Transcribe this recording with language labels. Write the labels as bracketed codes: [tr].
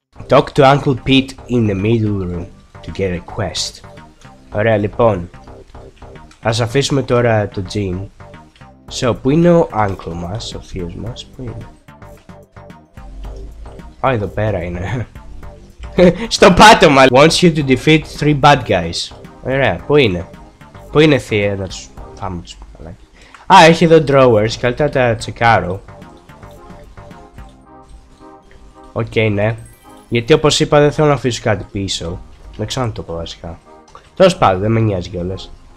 [en] Talk to Uncle Pete in the middle room to get a quest. [el] Ωραία, λοιπόν. Ας αφήσουμε τώρα το gym. So, πού είναι ο uncle μας, ο θείος μας, πού είναι? Α, εδώ πέρα είναι. Στο πάτωμα! [en] Wants you to defeat three bad guys. [el] Ωραία, πού είναι? Πού είναι θεία, να τους φάμε τους παλάκι. Α, έχει εδώ drawers, καλύτερα τα τσεκάρω. Οκ, okay, ναι. Γιατί όπως είπα δεν θέλω να αφήσω κάτι πίσω. Δεν ξέρω να το πω βασικά. Τέλος πάντων, δεν με νοιάζει κιόλας.